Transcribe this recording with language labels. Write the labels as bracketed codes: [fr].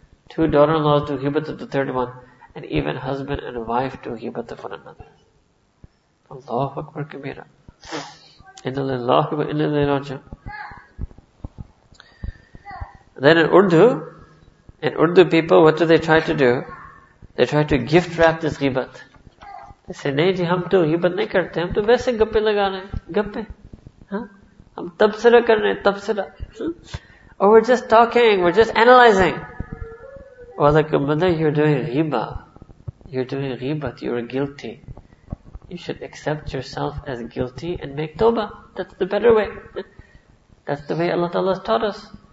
[en] Two daughter-in-laws do ghibat of the third one. And even husband and wife do ghibat of one another. Allahu Akbar Kabira. Inna lillahi wa inna ilayhi raji'un. Then in Urdu people, what do they try to do? They try to gift wrap this ghibat. They say, [ur] نہیں جی، ہم تو غیبت نہیں کرتے، ہم تو ویسے گپے لگا رہے، گپے۔ ہم تبصرہ کر رہے، تبصرہ۔ [en] Or we're just talking, we're just analyzing. Walaikum mother, you're doing ghibat. You're doing ghibat, you're guilty. You should accept yourself as guilty and make tawbah. That's the better way. That's the way Allah Ta'ala has taught us.